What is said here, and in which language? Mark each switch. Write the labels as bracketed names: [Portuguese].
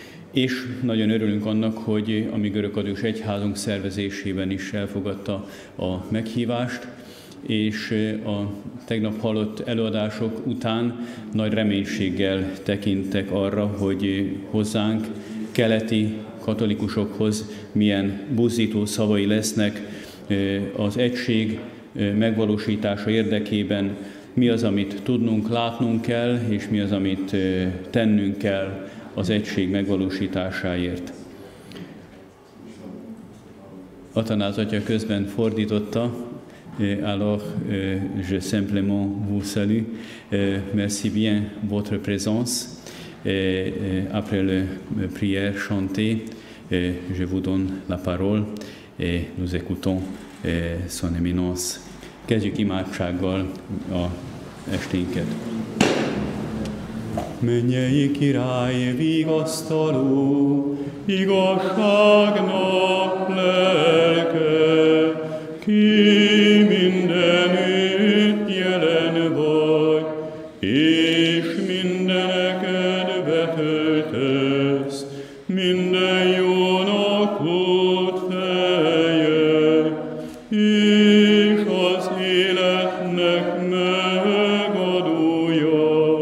[Hungarian] És nagyon örülünk annak, hogy a mi görögadős egyházunk szervezésében is elfogadta a meghívást, és a tegnap hallott előadások után nagy reménységgel tekintek arra, hogy hozzánk, keleti katolikusokhoz milyen buzdító szavai lesznek az egység megvalósítása érdekében, mi az, amit tudnunk, látnunk kell, és mi az, amit tennünk kell az egység megvalósításáért. Atanász atya közben fordította: [French] alors je simplement vous salue, merci bien votre présence, après le prière chantée, je vous donne la parole et nous écoutons son éminence. [Hungarian] Kezdjük imádsággal a esténket. Mennyei király, vigasztaló, igazságnak lelke, ki mindenütt jelen vagy, és mindeneket betöltesz, minden jónak volt feje, és az életnek megadója,